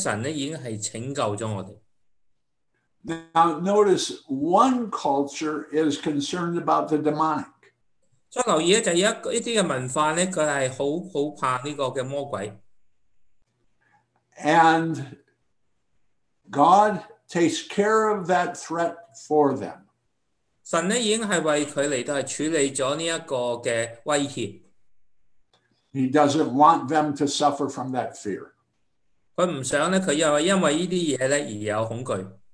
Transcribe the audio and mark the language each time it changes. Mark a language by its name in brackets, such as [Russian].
[Chinese] 对一些害怕邪灵的人呢,神已经是拯救了我们. [English] Now notice one culture is concerned about the demonic. [Chinese] 所以留意的就是一些文化呢,他是很怕这个魔鬼. [English] And God takes care of that threat for them. [Chinese] 神已经是为他们处理了这个威胁. [English] He doesn't want them to suffer from that fear. [Chinese] 他不想,他又因为这些东西而有恐惧.